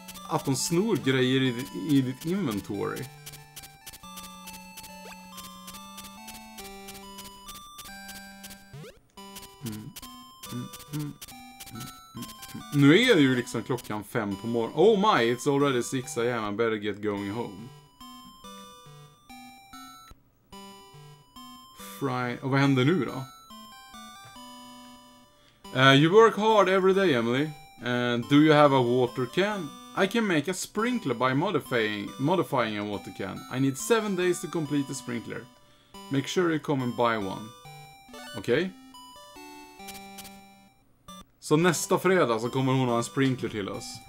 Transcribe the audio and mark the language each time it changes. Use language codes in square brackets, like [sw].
[sv] Att de snor grejer i ditt inventory. Nu är det ju liksom klockan 5 på morgonen. [en] Oh my, it's already 6 a.m. I better get going home. [sv] Och vad händer nu då? [en] You work hard every day, Emily. Do you have a water can? I can make a sprinkler by modifying a water can. I need 7 days to complete the sprinkler. Make sure you come and buy one. [sv] Okej. Så nästa fredag så kommer hon ha en sprinkler till oss.